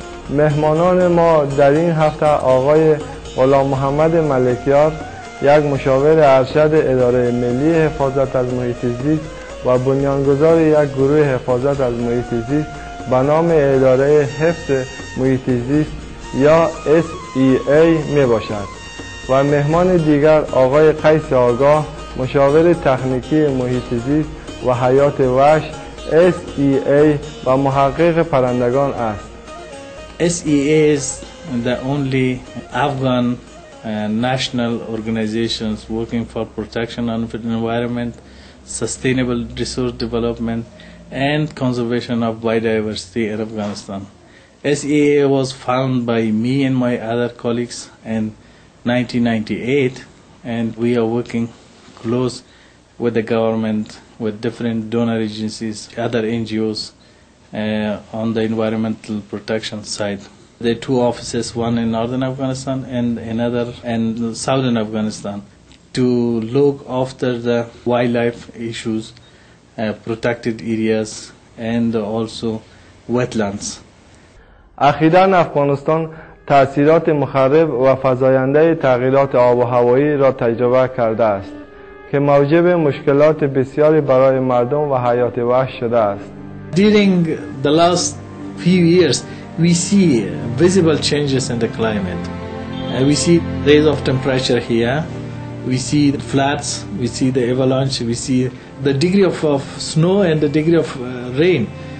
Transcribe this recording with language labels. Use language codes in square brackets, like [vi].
[fa] مهمانان ما در این هفته آقای غلام محمد ملکیار، یک مشاور ارشد اداره ملی حفاظت از محیط زیست و بنیانگذار یک گروه حفاظت از محیط زیست به نام اداره حفظ محیط زیست یا SEA می باشد و مهمان دیگر آقای قیس آگاه، مشاور تخنیکی محیط زیست و حیات وحش SEA و محقق پرندگان است. [en] SEA is the only Afghan national organizations working for protection of the environment, sustainable resource development, and conservation of biodiversity in Afghanistan. SEA was founded by me and my other colleagues in 1998, and we are working close with the government, with different donor agencies, other NGOs, on the environmental protection side. There are two offices, one in northern Afghanistan and another in southern Afghanistan, to look after the wildlife issues, protected areas, and also wetlands. [fa] اخیراً افغانستان تأثیرات مخرب و فزاینده تغییرات آب و هوایی را تجربه کرده است که موجب مشکلات بسیاری برای مردم و حیات وحش شده است. [en] During the last few years, we see visible changes in the climate. We see raise of temperature here, we see the floods, we see the avalanche, we see the degree of snow and the degree of rain.